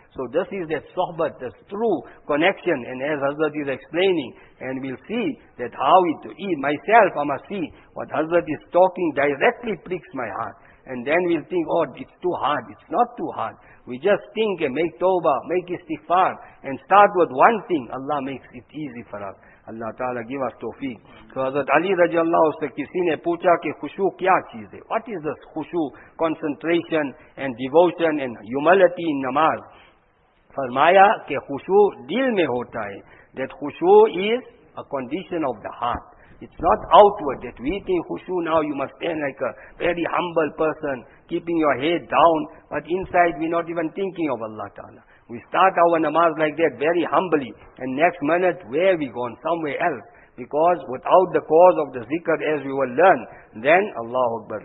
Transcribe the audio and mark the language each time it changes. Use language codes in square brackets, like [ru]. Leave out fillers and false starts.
[en] So this is that sohbat, this true connection. And as Hazrat is explaining, and we'll see that how it to eat. Myself, I must see what Hazrat is talking directly pricks my heart. And then we'll think, oh, it's too hard. It's not too hard. We just think and make tawbah, make istighfar, and start with one thing. Allah makes it easy for us. اللہ تعالیٰ give us توفیق. [ur] تو حضرت علی رضی اللہ عنہ سے کسی نے پوچھا کہ خشوع کیا چیز ہے, what is this خشوع, concentration and devotion and humility ان نماز. [en] فرمایا کہ خشوع دل میں ہوتا ہے, دیٹ خشوع is a condition of the heart. It's not outward that we think khushu, now you must stand like a very humble person, keeping your head down, but inside we're not even thinking of Allah Ta'ala. We start our namaz like that very humbly, and next minute, where we gone? Somewhere else. Because without the cause of the zikr, as we will learn, then Allahu Akbar.